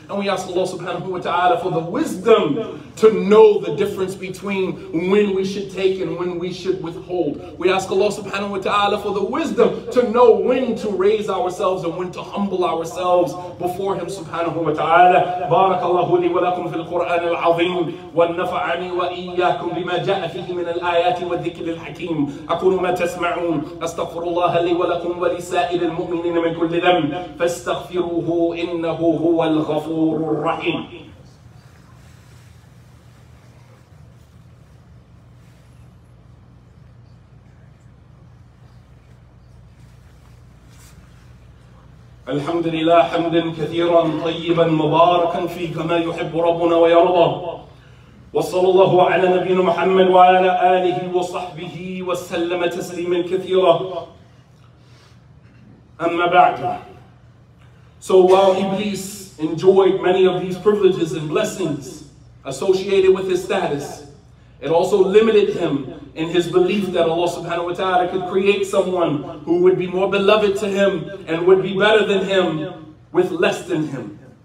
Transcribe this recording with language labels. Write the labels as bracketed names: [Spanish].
[English] And we ask Allah subhanahu wa ta'ala for the wisdom to know the difference between when we should take and when we should withhold. We ask Allah subhanahu wa ta'ala for the wisdom to know when to raise ourselves and when to humble ourselves before Him subhanahu wa ta'ala. [Arabic] Barakallahu li wa lakum fil Qur'an al-azim wa nafa'ani wa إياكم بما جاء فيه من الآيات والذكر الحكيم أقول ما تسمعون أستغفر الله لي ولكم ولسائر المؤمنين من كل ذنب فاستغفروه إنه هو الغفور الرحيم. الحمد لله حمدا كثيرا طيبا مباركا فيه كما يحب ربنا ويرضى وصلى الله على نبينا محمد وعلى آله وصحبه وسلم تسليما كثيرا أما بعد. [English] So while Iblis enjoyed many of these privileges and blessings associated with his status, it also limited him in his belief that Allah subhanahu wa ta'ala could create someone who would be more beloved to him and would be better than him with less than him.